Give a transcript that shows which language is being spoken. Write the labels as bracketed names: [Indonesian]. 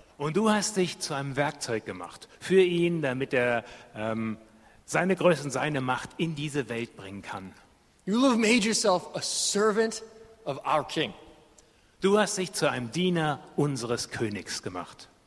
[German] Und du hast dich zu einem Werkzeug gemacht für ihn, damit er seine Größe und seine Macht in diese Welt bringen kann. [English] You will have made yourself a servant of our king. [German] Du hast dich zu einem Diener unseres Königs gemacht.